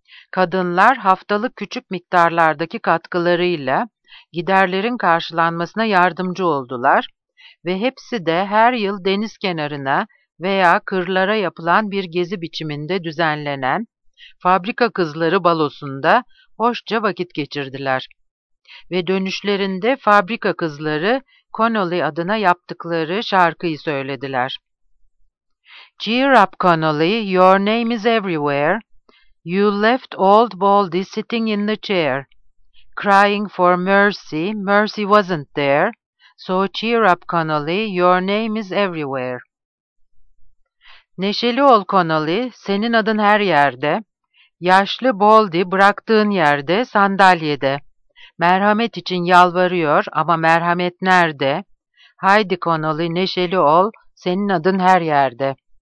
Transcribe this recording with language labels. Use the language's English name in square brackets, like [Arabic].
[Turkish] Kadınlar haftalık küçük miktarlardaki katkılarıyla giderlerin karşılanmasına yardımcı oldular ve hepsi de her yıl deniz kenarına veya kırlara yapılan bir gezi biçiminde düzenlenen fabrika kızları balosunda hoşça vakit geçirdiler. Ve dönüşlerinde fabrika kızları Connolly adına yaptıkları şarkıyı söylediler. [English] Cheer up Connolly, your name is everywhere. You left old Baldy sitting in the chair. Crying for mercy, mercy wasn't there. So cheer up Connolly, your name is everywhere. [Turkish] Neşeli ol Connolly, senin adın her yerde. Yaşlı Baldy bıraktığın yerde, sandalyede. Merhamet için yalvarıyor ama merhamet nerede? Haydi Connolly, neşeli ol, senin adın her yerde.